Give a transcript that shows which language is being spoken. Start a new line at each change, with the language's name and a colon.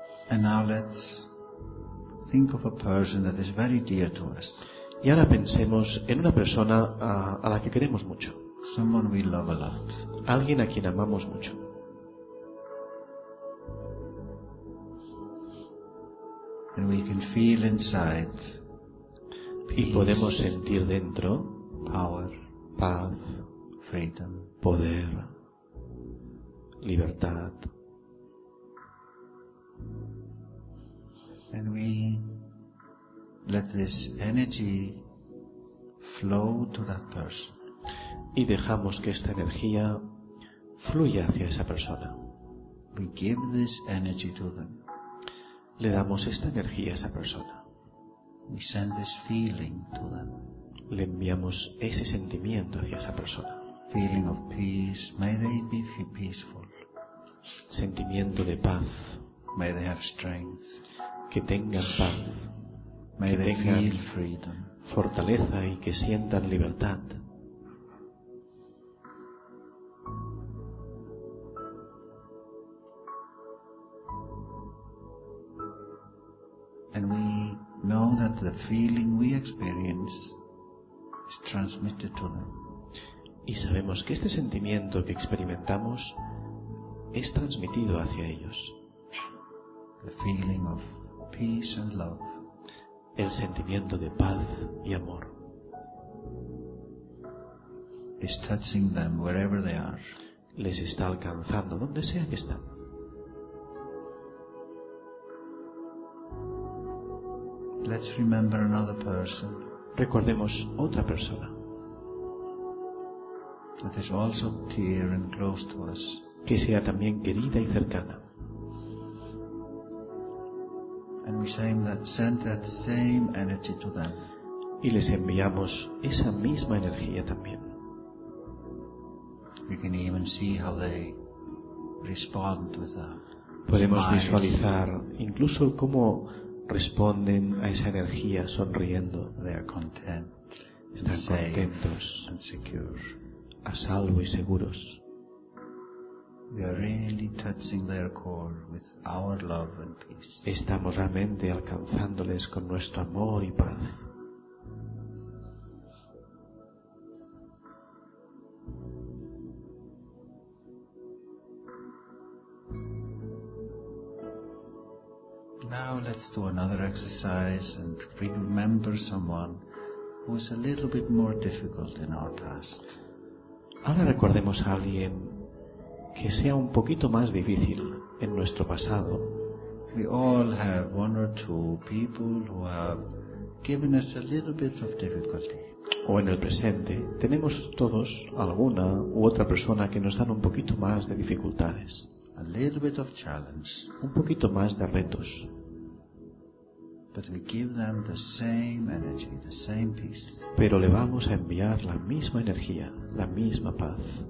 English: And now let's think of a person that is very dear to us.
Spanish: Y ahora pensemos en una persona a la que queremos mucho.
English: Someone we love a lot.
Spanish: Alguien a quien amamos mucho.
English: And we can feel inside.
Spanish: Y podemos sentir dentro.
English: Power,
Spanish: paz,
English: freedom,
Spanish: poder, libertad.
English: And we let this energy flow to that person.
Spanish: Y dejamos que esta energía fluya hacia esa persona.
English: We give this energy to them.
Spanish: Le damos esta energía a esa persona.
English: We send this feeling to them.
Spanish: Le enviamos ese sentimiento hacia esa persona.
English: Feeling of peace, may they be peaceful.
Spanish: Sentimiento de paz.
English: May they have strength.
Spanish: Que tengan paz.
English: May they feel freedom.
Spanish: Fortaleza y que sientan libertad.
English: And we know that the feeling we experience. Transmitted to them.
Spanish: Y sabemos que este sentimiento que experimentamos es transmitido hacia ellos.
English: The feeling of peace and love.
Spanish: El sentimiento de paz y amor.
English: Is touching them wherever they are.
Spanish: Les está alcanzando donde sea que están.
English: Let's remember another person.
Spanish: Recordemos otra persona.
English: That is also dear and close to us.
Spanish: Que sea también querida y cercana.
English: And we send that same energy to them.
Spanish: Y les enviamos esa misma energía también.
English: We can even see how they respond with a
Spanish: Podemos
English: smile.
Spanish: Visualizar incluso cómo responden a esa energía sonriendo.
English: They are content,
Spanish: están contentos,
English: and secure.
Spanish: A salvo y seguros.
English: We are really touching their core with our love and peace.
Spanish: Estamos realmente alcanzándoles con nuestro amor y paz.
English: Now let's do another exercise and remember someone who is a little bit more difficult in our past.
Spanish: Ahora recordemos a alguien que sea un poquito más difícil en nuestro pasado.
English: We all have one or two people who have given us a little bit of difficulty.
Spanish: o en el presente, tenemos todos alguna u otra persona que nos dan un poquito más de dificultades.
English: A little bit of challenge.
Spanish: Un poquito más de retos.
English: But we give them the same energy, the same peace.
Spanish: Pero le vamos a enviar la misma energía, la misma paz.